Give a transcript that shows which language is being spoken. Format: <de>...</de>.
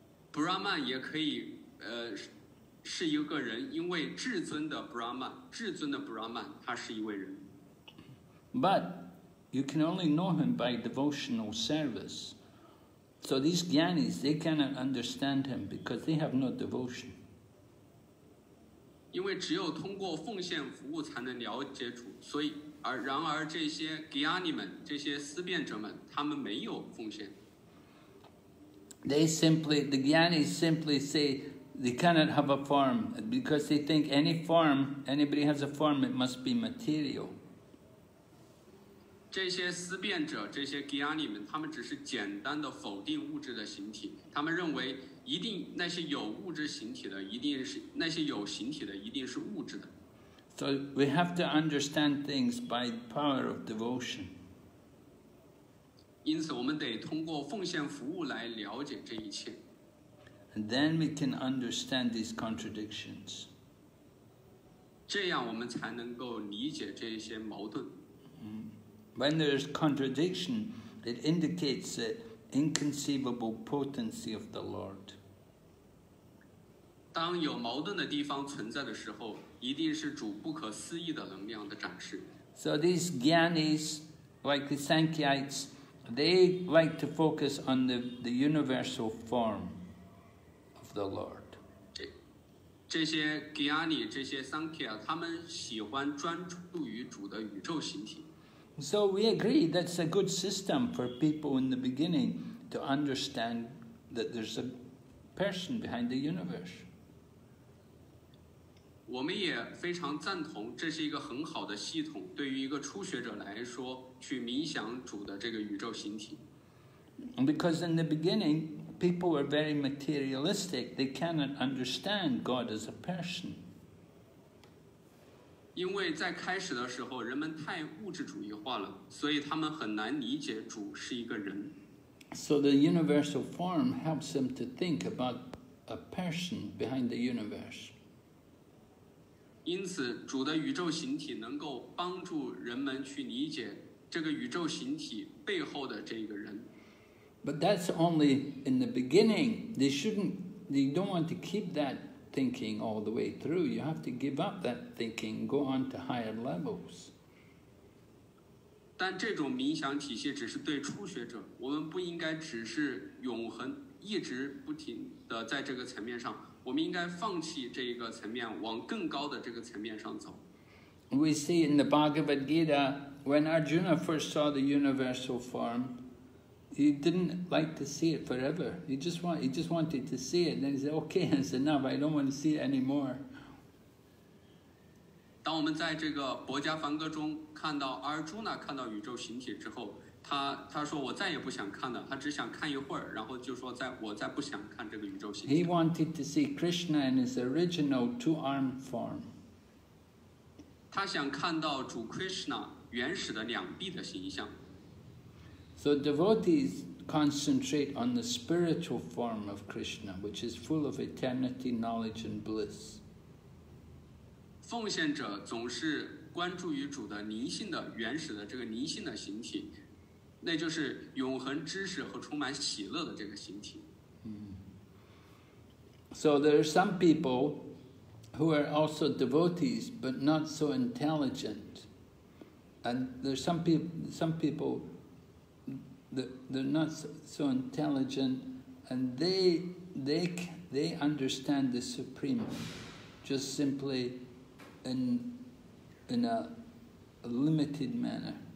<zh>Brahman 也可以是一个人，因为至尊的 Brahman， 至尊的 Brahman， 他是一位人。</zh> <en>But you can only know him by devotional service. So these Gyanis, they cannot understand him because they have no devotion.</en> <zh>因为只有通过奉献服务才能了解主，所以。然而这些 Gyani 们，这些思辨者们，他们没有奉献。</zh> <en>The Gyanis simply say they cannot have a form because they think any form, anybody has a form, it must be material.</en> <zh>这些思辨者，这些 Gyani 们，他们只是简单的否定物质的形体。他们认为一定那些有物质形体的一定是那些有形体的一定是物质的。</zh> <en>So we have to understand things by the power of devotion.</en> <zh>因此我们得通过奉献服务来了解这一切。</zh> <en>And then we can understand these contradictions.</en> <zh>这样我们才能够理解这些矛盾。</zh> <en>When there is contradiction, it indicates the inconceivable potency of the Lord.</en> <zh>当有矛盾的地方存在的时候，一定是主不可思议的能量的展示。</zh> <en>So these Gyanis, like the Sankhyites, they like to focus on the universal form of the Lord.</en> <zh>这些 Gyani 这些 Sankhya 他们喜欢专注于主的宇宙形体。</zh> <en>So we agree that's a good system for people in the beginning to understand that there's a person behind the universe.</en> <zh>我们也非常赞同这是一个很好的系统对于一个初学者来说去冥想主的这个宇宙形体。</zh> <en>Because in the beginning, people were very materialistic. They cannot understand God as a person.</en> <zh>因为在开始的时候，人们太物质主义化了，所以他们很难理解主是一个人。</zh> <en>So the universal form helps them to think about a person behind the universe.</en> <zh>因此，主的宇宙形体能够帮助人们去理解这个宇宙形体背后的这个人。</zh> <en>But that's only in the beginning. You don't want to keep that thinking all the way through. You have to give up that thinking, go on to higher levels.</en> <zh>但这种冥想体系只是对初学者，我们不应该只是永恒，一直不停地在这个层面上，我们应该放弃这个层面，往更高的这个层面上走。</zh> <en>We see in the Bhagavad Gita, when Arjuna first saw the universal form,He didn't like to see it forever. He just wanted to see it. Then he said, okay, that's enough. I don't want to see it anymore.</en> <zh>当我们在这个《薄伽梵歌》中看到阿尔朱纳看到宇宙形体之后，他说我再也不想看了，他只想看一会儿，然后就说我再不想看这个宇宙形体。</zh> <en>He wanted to see Krishna in his original two-armed form.</en> <zh>他想看到主 Krishna 原始的两臂的形象。</zh> <en>So devotees concentrate on the spiritual form of Krishna, which is full of eternity, knowledge, and bliss.</en> <zh>奉献者总是关注于主的灵性的原始的这个灵性的形体，那就是永恒知识和充满喜乐的这个形体。</zh> <en>So there are some people who are also devotees, but not so intelligent, and there are some people. They're not so intelligent, and they understand the Supreme just simply in a limited manner.</en>